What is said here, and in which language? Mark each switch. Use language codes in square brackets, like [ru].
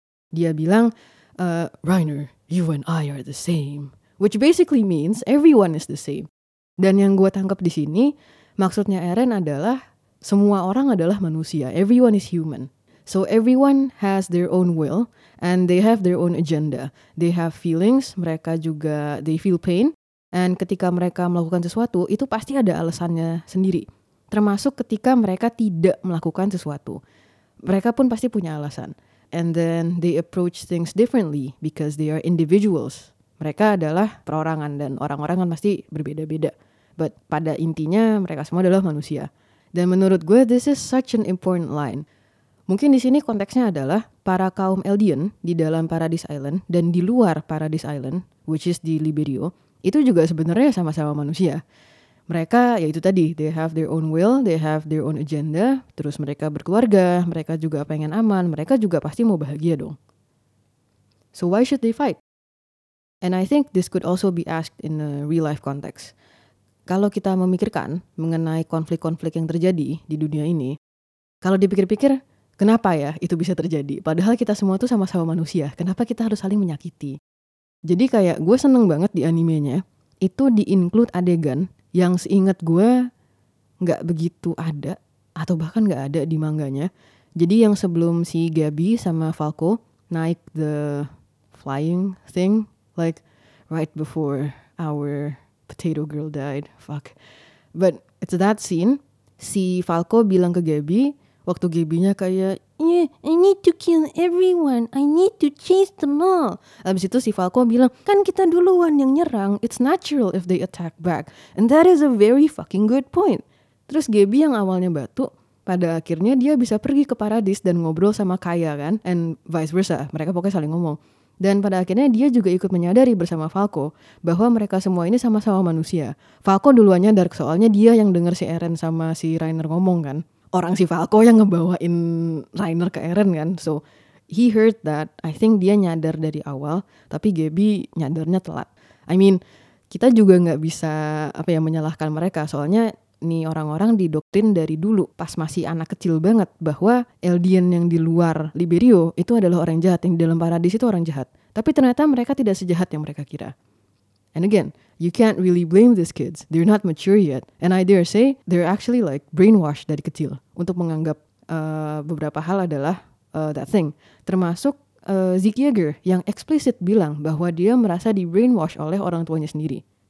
[id] Dia bilang, [en] Reiner, you and I are the same. Which basically means everyone is the same. [id] Dan yang gue tangkap di sini, maksudnya Eren adalah semua orang adalah manusia. [en] Everyone is human. So everyone has their own will and they have their own agenda. They have feelings, [id] mereka juga, [en] they feel pain. And [id] ketika mereka melakukan sesuatu, itu pasti ada alasannya sendiri. Termasuk ketika mereka tidak melakukan sesuatu. Mereka pun pasti punya alasan. [en] And then they approach things differently because they are individuals. [id] Mereka adalah perorangan dan orang-orang kan pasti berbeda-beda. [en] But [id] pada intinya mereka semua adalah manusia. Dan menurut gue [en] this is such an important line. [id] Mungkin di sini konteksnya adalah para kaum Eldian di dalam Paradise Island dan di luar Paradise Island, [en] which is [id] di Liberio, itu juga sebenarnya sama-sama manusia. Mereka, ya itu tadi, [en] they have their own will, they have their own agenda, [id] terus mereka berkeluarga, mereka juga pengen aman, mereka juga pasti mau bahagia dong. [en] So why should they fight? And I think this could also be asked in a real life context. [id] Kalau kita memikirkan mengenai konflik-konflik yang terjadi di dunia ini, kalau dipikir-pikir, kenapa ya itu bisa terjadi? Padahal kita semua tuh sama-sama manusia, kenapa kita harus saling menyakiti? Jadi kayak gue seneng banget di animenya, itu di-include adegan yang seingat gue gak begitu ada, atau bahkan gak ada di manganya. Jadi yang sebelum si Gabby sama Falco naik [en] the flying thing, like right before our potato girl died, fuck. But it's that scene, [id] si Falco bilang ke Gabby, waktu Gabby-nya kayak, [en] yeah, I need to kill everyone, I need to chase them all. [id] Abis itu si Falco bilang, kan kita duluan yang nyerang, [en] it's natural if they attack back. And that is a very fucking good point. [id] Terus Gabby yang awalnya batuk, pada akhirnya dia bisa pergi ke Paradis dan ngobrol sama Kaya kan, [en] and vice versa, [id] mereka pokoknya saling ngomong. Dan pada akhirnya dia juga ikut menyadari bersama Falco bahwa mereka semua ini sama-sama manusia. Falco duluannya dark, soalnya dia yang dengar si Eren sama si Reiner ngomong kan. Orang si Falco yang ngebawain Reiner ke Eren kan. [en] So, he heard that. I think [id] dia nyadar dari awal. Tapi Gabby nyadarnya telat. [en] I mean, [id] kita juga gak bisa menyalahkan mereka. Soalnya, nih orang-orang didoktrin dari dulu. Pas masih anak kecil banget. Bahwa Eldian yang di luar Liberio itu adalah orang jahat. Yang di dalam Paradis itu orang jahat. Tapi ternyata mereka tidak sejahat yang mereka kira. [en] And again, you can't really blame these kids. They're not mature yet. And I dare say, they're actually like brainwashed [id] dari kecil. Untuk menganggap beberapa hal adalah [en] that thing. [id] Termasuk Zeke Yeager yang explicit bilang bahwa dia merasa di brainwash oleh orang tuanya sendiri.